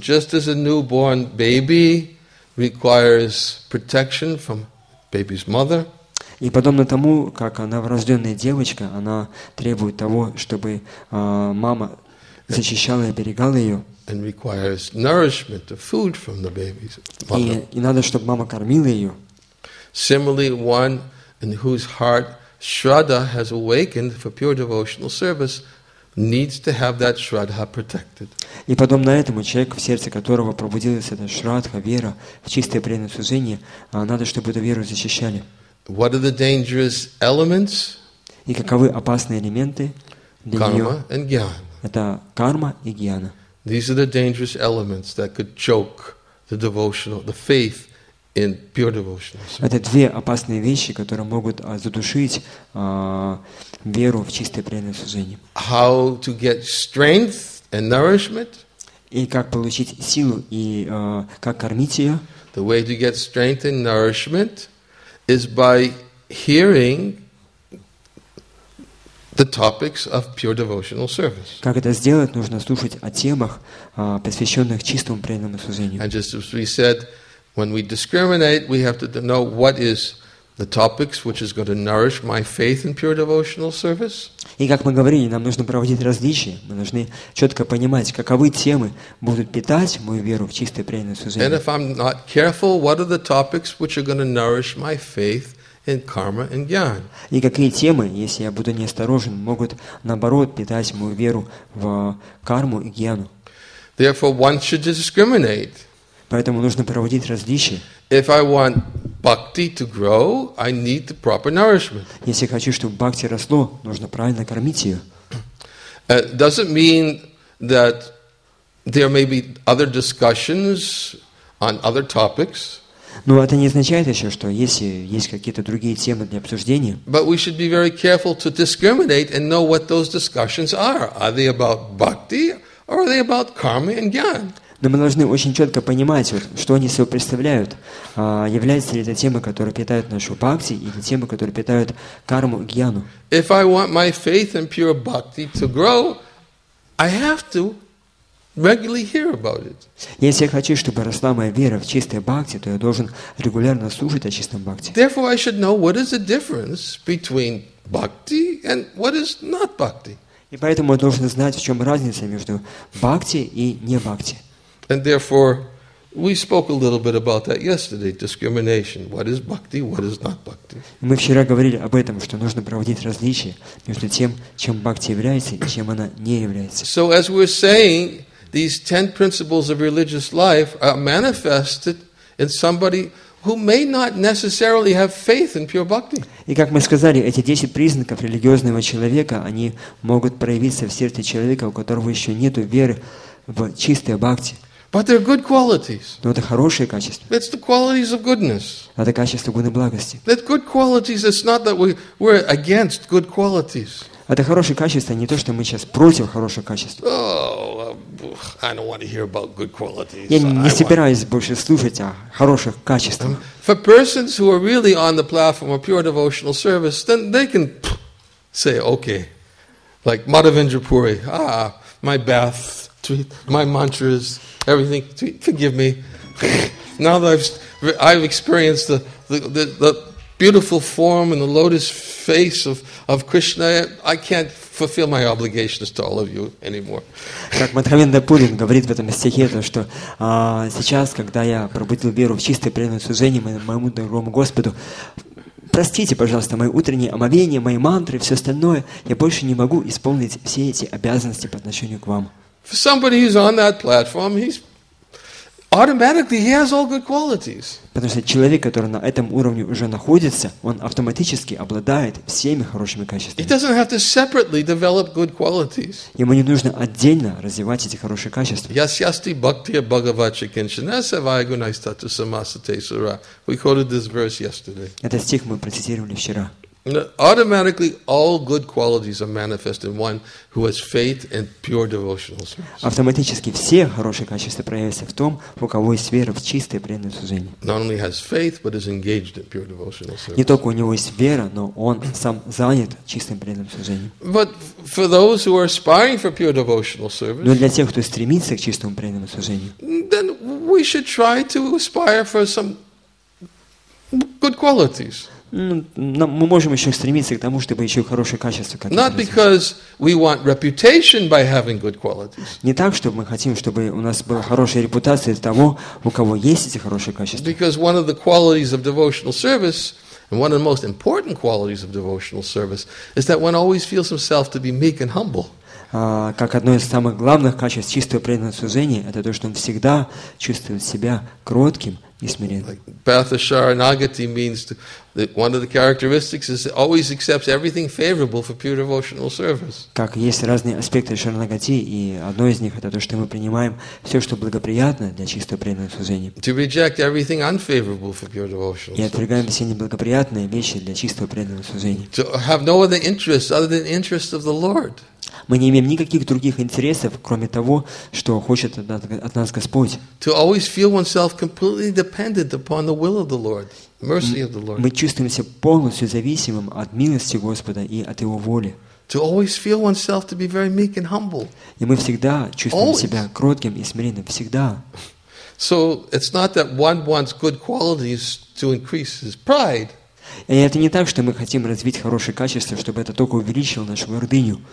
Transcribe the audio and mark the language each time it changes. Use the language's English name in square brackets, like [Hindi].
[English] So just as a newborn baby requires protection from baby's mother. [Russian] И подобно тому, как новорожденная девочка, она требует того, чтобы мама защищала и оберегала ее. [English] And requires nourishment of food from the baby's mother. [Russian] И надо, чтобы мама кормила ее. [English] Similarly, one in whose heart Shraddha has awakened for pure devotional service needs to have that Shraddha protected. [Russian] И подобно этому, человек, в сердце которого пробудилась эта Шраддха, вера, в чистое преданное служение, надо, чтобы эту веру защищали. [English] What are the dangerous elements? [Russian] И каковы опасные элементы для [English] Karma [Russian] нее? [English] And Gyan. [Russian] Это карма и гьяна. [English] These are the dangerous elements that could choke the devotional, the faith in pure devotional service. [Russian] Это две опасные вещи, которые могут задушить веру в чистое преданное служение. [English] How to get strength and nourishment? [Russian] И как получить силу и как кормить ее? [English] The way to get strength and nourishment is by hearing the topics of pure devotional service. [Russian] Как это сделать? Нужно слушать о темах, посвященных чистому преданному служению. [English] And just as we said, when we discriminate, we have to know what is the topics which is going to nourish my faith in pure devotional service. [Russian] И как мы говорили, нам нужно проводить различия. Мы должны четко понимать, каковы темы будут питать мою веру в чистое преданное служение. [English] And if I'm not careful, what are the topics which are going to nourish my faith in karma and gyan? [Russian] И какие темы, если я буду неосторожен, могут наоборот питать мою веру в карму и гьяну? [English] Therefore, one should discriminate. [Russian] Поэтому нужно проводить различия. [English] If I want bhakti to grow, I need the proper nourishment. [Russian] Если хочу, чтобы бхакти росло, нужно правильно кормить ее. [English] Doesn't mean that there may be other discussions on other topics. [Russian] Но это не означает еще, что если есть какие-то другие темы для обсуждения. [English] But we should be very careful to discriminate and know what those discussions are. Are they about bhakti or are they about karma and gyan? [Russian] Но мы должны очень четко понимать, вот, что они собой представляют. Являются ли это темы, которые питают нашу бхакти, или темы, которые питают карму и гьяну? [English] If I want my faith and pure bhakti to grow, I have to regularly hear about it. [Russian] Если я хочу, чтобы росла моя вера в чистой бхакти, то я должен регулярно слушать о чистом бхакти. [English] Therefore, I should know what is the difference between bhakti and what is not bhakti. [Russian] И поэтому я должен знать, в чем разница между бхакти и не бхакти. [English] And therefore, we spoke a little bit about that yesterday. Discrimination: what is bhakti, what is not bhakti. [Russian] Мы вчера говорили об этом, что нужно проводить различие между тем, чем бхакти является и чем она не является. [English] So as we're saying, these 10 principles of religious life are manifested in somebody who may not necessarily have faith in pure bhakti. [Russian] И как мы сказали, эти 10 признаков религиозного человека, они могут проявиться в сердце человека, у которого еще нету веры в чистое бхакти. [English] But they're good qualities. [Russian] Но это хорошие качества. [English] It's the qualities of goodness. [Russian] Это качества гуны благости. [English] That good qualities, it's not that we're against good qualities. [Russian] Это хорошие качества, не то, что мы сейчас против хороших качеств. [English] Oh, I don't want to hear about good qualities. [Russian] Я не собираюсь больше слушать о хороших качествах. [English] For persons who are really on the platform of pure devotional service, then they can say, okay, like Madhavendra Puri, my bath, my mantras, everything, forgive me. Now that I've experienced the beautiful form and the lotus face of Krishna, I can't fulfill my obligations to all of you anymore. [Russian] Как Мадхавинда Пурин говорит в этом стихе, то что сейчас, когда я пробудил веру в чистое преданное служение моему дорогому Господу, простите, пожалуйста, мои утренние омовения, мои мантры, все остальное, я больше не могу исполнить все эти обязанности по отношению к вам. [English] For somebody who's on that platform, he's automatically he has all good qualities. [Russian] Потому что человек, который на этом уровне уже находится, он автоматически обладает всеми хорошими качествами. [English] He doesn't have to separately develop good qualities. [Russian] Ему не нужно отдельно развивать эти хорошие качества. [Sanskrit] Yasyasti bhaktiya bhagavachakinshanasa vayagunaistatu samasate sura. [English] We quoted this verse yesterday. [Russian] Этот стих мы процитировали вчера. [English] Automatically, all good qualities are manifest in one who has faith and pure devotional service. [Russian] Автоматически все хорошие качества проявятся в том, у кого есть вера в чистое преданное служение. [English] Not only has faith, but is engaged in pure devotional service. [Russian] Не только у него есть вера, но он сам занят чистым преданным служением. [English] But for those who are aspiring for pure devotional service, [Russian] но для тех, кто стремится к чистому преданному служению, [English] then we should try to aspire for some good qualities. [Russian] Мы можем еще стремиться к тому, чтобы еще хорошие качества как-то. [English] Not because we want reputation by having good qualities. [Russian] Не так, чтобы мы хотим, чтобы у нас была хорошая репутация для того, у кого есть эти хорошие качества. [English] Because one of the qualities of devotional service, and one of the most important qualities of devotional service, is that one always feels himself to be meek and humble. [Russian] Как одно из самых главных качеств чистого преданного служения, это то, что он всегда чувствует себя кротким. [English] Bhathasharanagati means that one of the characteristics is that always accepts everything favorable for pure devotional service. [Russian] Как есть разные аспекты шаранагати, и одно из них это то, что мы принимаем все, что благоприятно для чистого преданного служения. [English] To reject everything unfavorable for pure devotional service. [Russian] И отвергаем все неблагоприятные вещи для чистого преданного служения. [English] To have no other interests other than interests of the Lord. [Russian] Мы не имеем никаких других интересов, кроме того, что хочет от нас Господь. [English] To always feel oneself completely dependent upon the will of the Lord, mercy of the Lord. [Russian] Мы чувствуемся полностью зависимым от милости Господа и от Его воли. [English] To always feel oneself to be very meek and humble. [Russian] И мы всегда чувствуем [English] always. [Russian] Себя кротким и смиренным всегда. [English] So it's not that one wants good qualities to increase his pride. [Russian] И это не так, что мы хотим развить хорошие качества, чтобы это только увеличило нашу гордыню.